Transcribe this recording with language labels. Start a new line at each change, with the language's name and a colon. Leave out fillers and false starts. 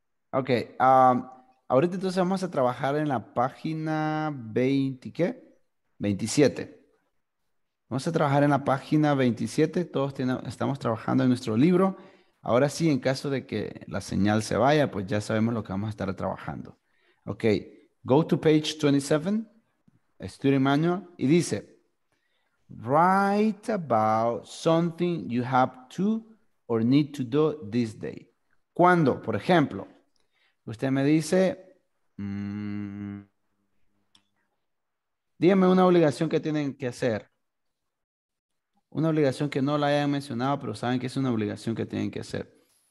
Spanish: Ahorita entonces vamos a trabajar en la página 20, ¿qué? 27. Vamos a trabajar en la página 27. Todos estamos trabajando en nuestro libro. Ahora sí, en caso de que la señal se vaya, pues ya sabemos lo que vamos a estar trabajando.
English: Ok, go to page 27, student manual,
Spanish: y dice,
English: write about something you have to or need to do this day.
Spanish: ¿Cuándo? Por ejemplo, usted me dice, dígame una obligación que tienen que hacer. Una obligación que no la hayan mencionado, pero saben que es una obligación que tienen que hacer.